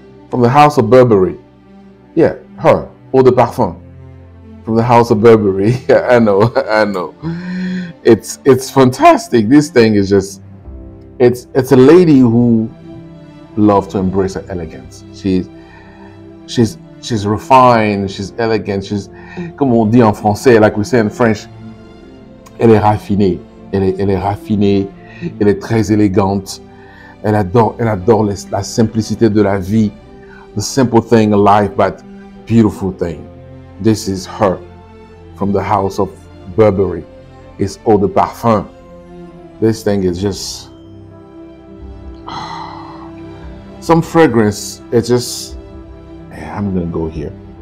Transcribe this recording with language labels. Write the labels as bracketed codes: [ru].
[en] From the house of Burberry. Yeah, her. Eau de parfum. From the house of Burberry. Yeah, I know. It's fantastic. This thing is just... It's a lady who loves to embrace her elegance. She's refined. She's elegant. She's, [fr] comme on dit en français, [en] like we say in French, [fr] elle est raffinée. Elle est raffinée. Elle est très élégante. Elle adore la simplicité de la vie. [en] The simple thing in life, but beautiful thing. This is her from the house of Burberry. It's eau de parfum. This thing is just... Some fragrance, it's just, I'm gonna go here.